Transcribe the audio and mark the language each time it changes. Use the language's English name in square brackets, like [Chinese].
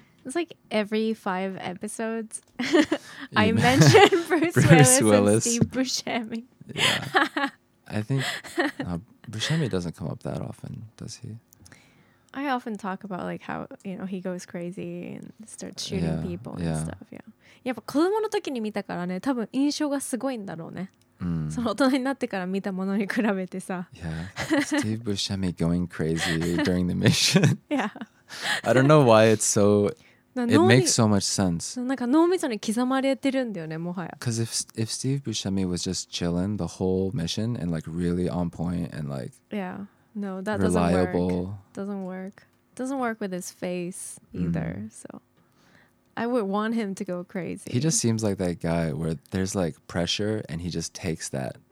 [English] It's like every 5 episodes I mention Bruce Willis and Steve Buscemi. Yeah. I think Buscemi doesn't come up that often, does he? I often talk about like how, you know, he goes crazy and starts shooting people and stuff, yeah. [Japanese] やっぱ子供の時に見たからね、多分印象がすごいんだろうね。その大人になってから見たものに比べてさ。 [English] Yeah. Steve Buscemi going crazy during the mission. Yeah. I don't know why it's so... it makes so much sense. [Japanese] なんか脳みそに刻まれてるんだよね、もはや。 [English] Because if Steve Buscemi was just chilling the whole mission and like really on point and like... yeah, no, that reliable. Doesn't work. Doesn't work with his face either, so... I would want him to go crazy. He just seems like that guy where there's like pressure and he just takes that...